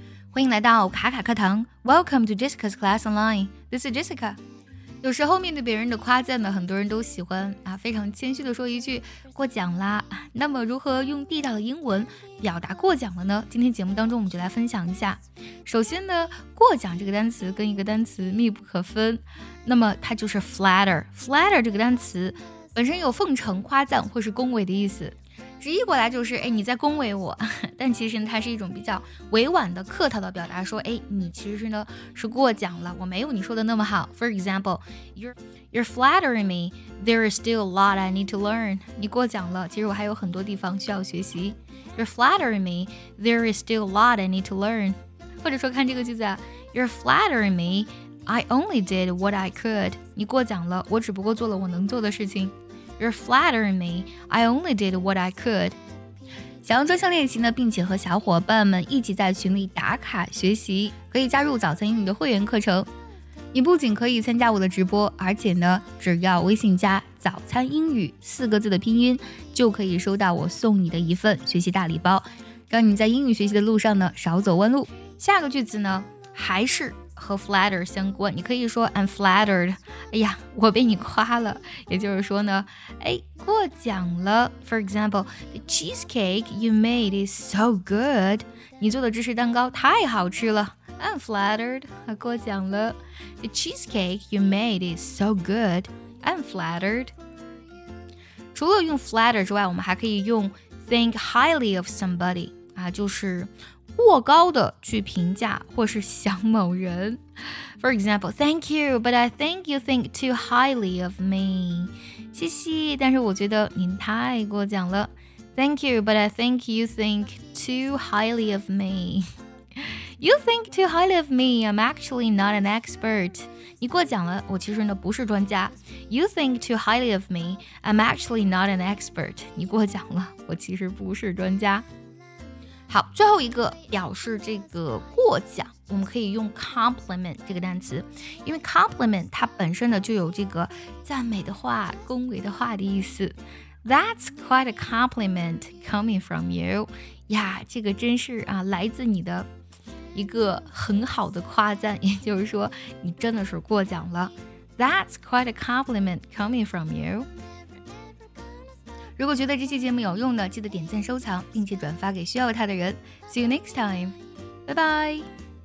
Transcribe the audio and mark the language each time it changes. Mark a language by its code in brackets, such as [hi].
[zh] 欢迎来到卡卡课堂 [en] Welcome to Jessica's Class Online. This is Jessica. [zh] 有时候面对别人的夸赞呢，很多人都喜欢啊，非常谦虚的说一句过奖啦。那么如何用地道的英文表达过奖了呢？今天节目当中我们就来分享一下。首先呢，过奖这个单词跟一个单词密不可分，那么它就是 flatter. Flatter 这个单词本身有奉承、夸赞或是恭维的意思，直译过来就是哎，你在恭维我。但其实呢，它是一种比较委婉的客套的表达，说哎，你其实呢是过奖了，我没有你说的那么好。 [en] For example, you're flattering me, there is still a lot I need to learn. [zh] 你过奖了，其实我还有很多地方需要学习。 [en] You're flattering me, there is still a lot I need to learn. [zh] 或者说看这个句子啊， [en] You're flattering me, I only did what I could. [zh] 你过奖了，我只不过做了我能做的事情。 [en] You're flattering me. I only did what I could. [zh] 想要专项练习呢，并且和小伙伴们一起在群里打卡学习，可以加入早餐英语的会员课程。你不仅可以参加我的直播，而且呢，只要微信加早餐英语四个字的拼音，就可以收到我送你的一份学习大礼包，让你在英语学习的路上呢少走弯路。下个句子呢，还是和 flatter 相关，你可以说 [en] I'm flattered. [zh] 哎呀，我被你夸了，也就是说呢，哎，过奖了。 [en] For example, the cheesecake you made is so good. [zh] 你做的芝士蛋糕太好吃了。 [en] I'm flattered. [zh] 过奖了。 [en] The cheesecake you made is so good. I'm flattered. [zh] 除了用 flatter 之外，我们还可以用 [en] think highly of somebody. [zh] 啊，就是过高的去评价或是想某人。 [en] For example, thank you, but I think you think too highly of me. [zh] 谢谢，但是我觉得您太过奖了。 [en] Thank you, but I think you think too highly of me. You think too highly of me. I'm actually not an expert. [zh] 你过奖了，我其实呢不是专家。 [en] You think too highly of me. I'm actually not an expert. [zh] 你过奖了，我其实不是专家。好，最后一个表示这个过奖，我们可以用 compliment 这个单词，因为 compliment 它本身呢就有这个赞美的话、恭维的话的意思。 [en] That's quite a compliment coming from you. [zh] 呀，这个真是啊，来自你的一个很好的夸赞，也就是说你真的是过奖了。 [en] That's quite a compliment coming from you. [zh] 如果觉得这期节目有用的，记得点赞收藏，并且转发给需要它的人。 [en] See you next time. Bye bye.